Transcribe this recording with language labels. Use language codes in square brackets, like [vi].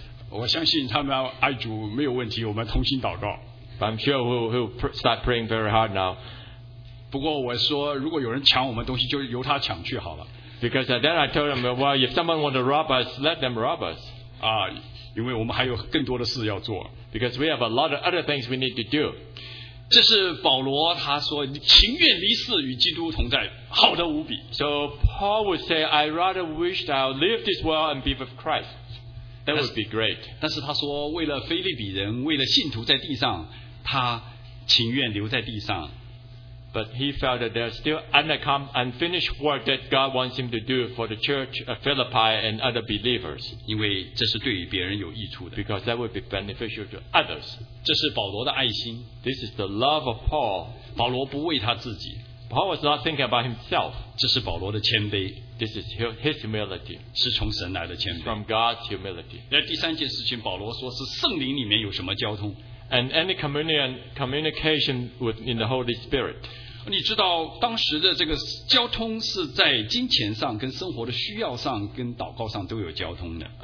[zh] 我相信他们爱主没有问题，我们同心祷告。 [en] But I'm sure we'll start praying very hard now. [zh] 不过我说如果有人抢我们东西就由他抢去好了。 [en] Because then I told them, well, if someone want to rob us, let them rob us. [zh] 因为我们还有更多的事要做。 [en] Because we have a lot of other things we need to do. [zh] 这是保罗他说情愿离世与基督同在，好得无比。 [en] So Paul would say, I rather wish I'll leave this world and be with Christ. That would be great. [zh] 但是他说为了腓立比人，为了信徒在地上，他情愿留在地上。 [en] But he felt that there's still unfinished work that God wants him to do for the church of Philippi and other believers. [zh] 因为这是对于别人有益处的。 [en] Because that would be beneficial to others. [zh] 这是保罗的爱心。 [en] This is the love of Paul. [zh] 保罗不为他自己。 [en] Paul was not thinking about himself. [zh] 这是保罗的谦卑。 [en] This is his humility. [zh] 是从神来的谦卑。 [en] From God's humility. [zh] 那第三件事情，保罗说是圣灵里面有什么交通。 [en] And any communication with in the Holy Spirit. [zh] 你知道当时的这个交通是在金钱上、跟生活的需要上、跟祷告上都有交通的。